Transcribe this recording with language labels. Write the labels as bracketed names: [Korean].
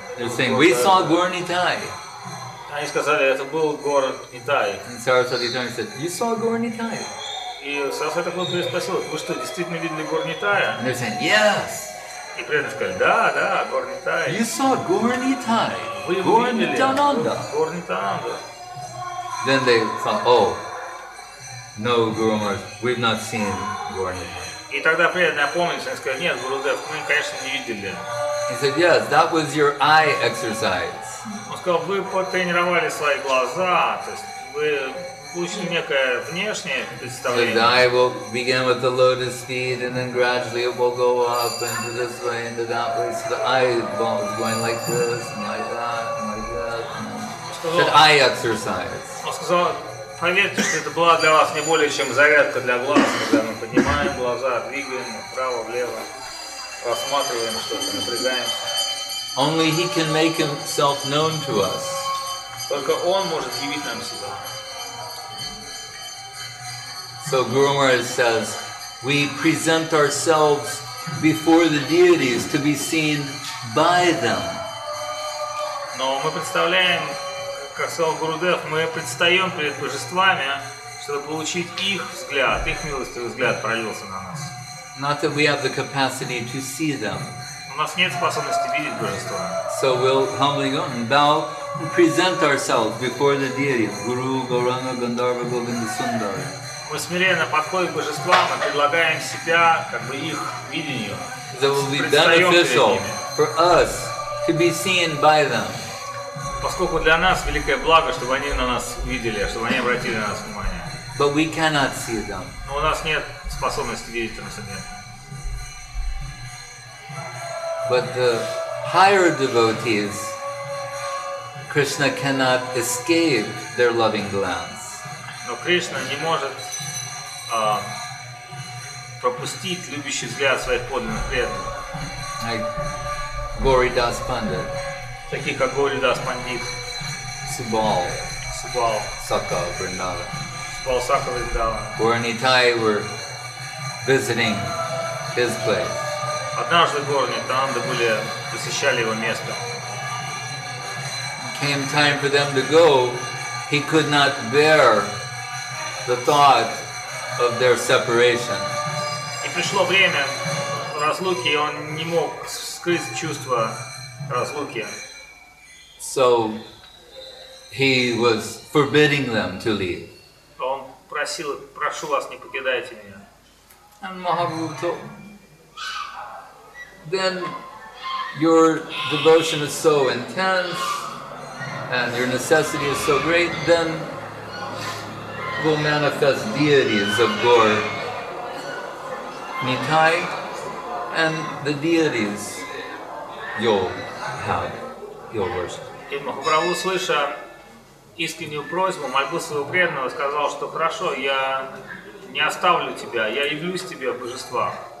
[English] They're saying, we saw Гор Нитай. [Russian] Они сказали, это был Гор Нитай. [English] And Сарасвати Такура said, you saw Гор Нитай. [Russian] И Сарасвата Гопи спросил: вы что, действительно видели гор Нитая? [English] And they're saying, yes. [Russian] И преданные сказали: да, да, гор Нитая. [English] You saw Gor Nitai. [Russian] Вы Gor видели Nitananda. Гор Нитананда. [English] Then they thought, oh, no, Guru Maharaj, we've not seen Gor Nitai. [Russian] И тогда преданные опомнились, они сказали: нет, Гурудев, мы, конечно, не видели. [English] He said, yes, that was your eye exercise. [Russian] Он сказал: вы потренировали свои глаза, то есть вы получили некое внешнее представление. [English] The eye will begin with the lotus feet, and then gradually it will go up into this way, into that way. So the eye ball is going like this, and like that, and like that. Said eye exercise. [Russian] Он сказал: поверьте, что это была для вас не более чем зарядка для глаз, когда мы поднимаем глаза, двигаем вправо, влево, рассматриваем что-то, напрягаемся. [English] Only he can make himself known to us. [Russian] Только он может явить нам себя. [English] So Guru Maharaj says, we present ourselves before the deities to be seen by them. [Russian] Но мы представляем, как сказал Гурудев, мы предстаем перед божествами, чтобы получить их взгляд, их милостивый взгляд пролился на нас. [English] Not that we have the capacity to see them. [Russian] У нас нет способности видеть божества. [English] So we'll humbly go and bow, present ourselves before the deity, Guru, Gauranga, Gandharva, Govinda, Sundara. [Russian] Мы смиренно подходим к божествам и предлагаем себя, как бы их видению. [English] That will be beneficial for us to be seen by them. [Russian] Поскольку для нас великое благо, чтобы они на нас видели, чтобы они обратили на нас внимание. [English] But we cannot see them. [Russian] Но у нас нет способности видеть на себе. [English] But the higher devotees, Krishna cannot escape their loving glance. [Russian] Но Кришна не может пропустить любящий взгляд своих подлинных преданных. [English] Like Goridas Pandit. [Russian] Таких как Goridas Pandit. [English] Subal. [Russian] Subal. [English] Sakha Vrindavan. [Russian] Subal Sakha Vrindavan. [English] Gaur Nitai were visiting his place. [Russian] Однажды Гор Нитананда были посещали его место. [English] Came time for them to go, he could not bear the thought of their separation. [Russian] И пришло время разлуки, и он не мог скрыть чувство разлуки. [English] So he was forbidding them to leave. [Russian] Он просил: прошу вас, не покидайте меня. [English] And Mahaprabhu told, then your devotion is so intense and your necessity is so great, then we'll manifest deities of Gor Nitai and the deities you'll worship. [Russian] И Махапрабху, слыша искреннюю просьбу, мольбу своего преданного, сказал, что хорошо, я не оставлю тебя, я явлюсь тебе в божествах.